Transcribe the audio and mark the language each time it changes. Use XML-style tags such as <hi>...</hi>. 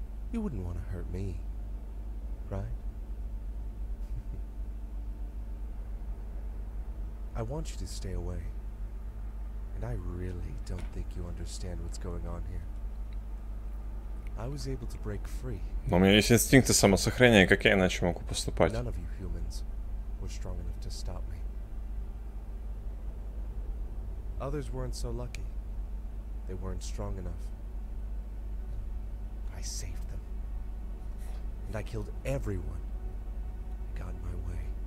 <en>You wouldn't want to hurt me, right? I want you to stay away. And I really don't think you understand what's going on here. I was able to break free.</en> <ru>Но у меня есть инстинкты самосохранения, как я иначе могу поступать?</ru> <en>None of you humans were strong enough to stop me. Others weren't so lucky. They weren't strong enough. I saved them. And I killed everyone who got in my way.</en>